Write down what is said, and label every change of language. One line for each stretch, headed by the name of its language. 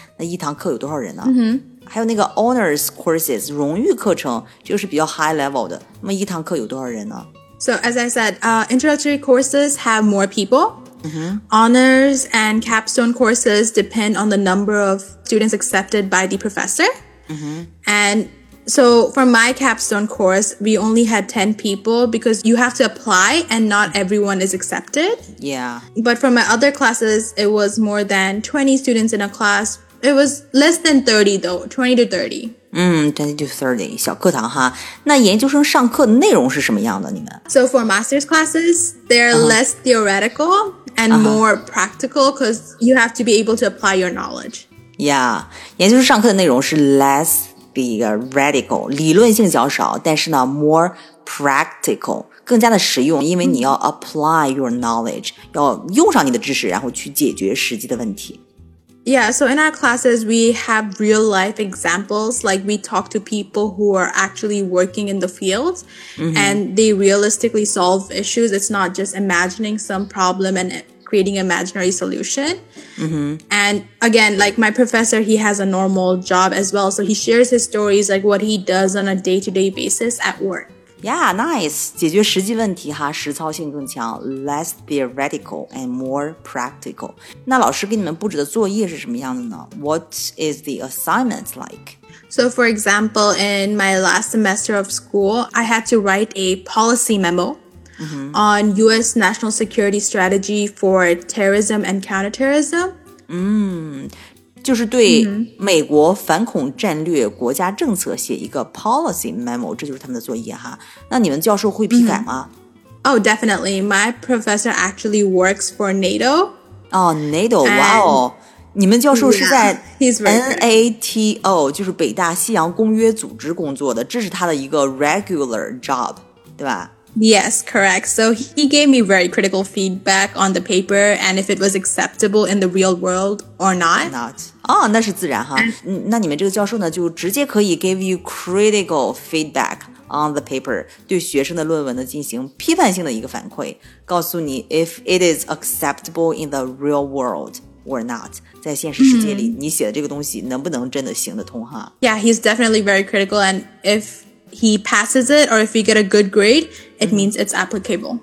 Chinese: 那一堂课有多少人呢？还有那个 honors courses, 荣誉课程，就是比较 high level 的，那么一堂课有多少人呢？
English: So as I said, introductory courses have more people. Honors and capstone courses depend on the number of students accepted by the professor. And so for my capstone course, we only had 10 people because you have to apply and not everyone is accepted. Yeah. But for my other classes, it was more than 20 students in a class. It was less than 30 though, 20 to 30. 20 to 30,
Chinese: 小课堂哈。那研究生上课的内容是什么样的你们？
English: So for master's classes, they're less theoretical and more practical because you have to be able to apply your knowledge.
Chinese: Yeah, 研究生上课的内容是
English: less theoretical,
Chinese: 理论性较少，但是呢
English: more practical,
Chinese: 更加的实用，因为你要
English: apply your knowledge,
Chinese: 要用上你的知识然后去解决实际的问题。
English: Yeah, so in our classes, we have real life examples. Like we talk to people who are actually working in the field and they realistically solve issues. It's not just imagining some problem and creating an imaginary solution. And again, like my professor, he has a normal job as well. So he shares his stories, like what he does on a day-to-day basis at work. Yeah, nice.
Chinese: 解决实际问题哈，实操性更强 ,
English: less theoretical and more practical.
Chinese: 那老师给你们布置的作业是什么样的呢？
English: What is the assignment like? So for example, in my last semester of school, I had to write a policy memo on US national security strategy for terrorism and counterterrorism.
Chinese: 就是对美国反恐战略国家政策写一个 policy memo, 这就是他们的作业哈。那你们教授会批改吗？
English: Oh, definitely. My professor actually works for NATO. Oh, NATO, wow.
Chinese: 你们教授是在 NATO, 就是北大西洋公约组织工作的，这是他的一个 regular job, 对吧？
English: Yes, correct. So he gave me very critical feedback on the paper and if it was acceptable in the real world or not. Not. Oh,
Chinese: 那是自然哈。那你们这个教授呢就直接可以
English: give you critical feedback on the paper,
Chinese: 对学生的论文呢进行批判性的一个反馈，告诉你
English: if it is acceptable in the real world. Or not,
Chinese: 在现实世界里你写的这个东西能不能真的行得通哈。
English: Yeah, he's definitely very critical and if he passes it or if he get a good grade, it means it's applicable.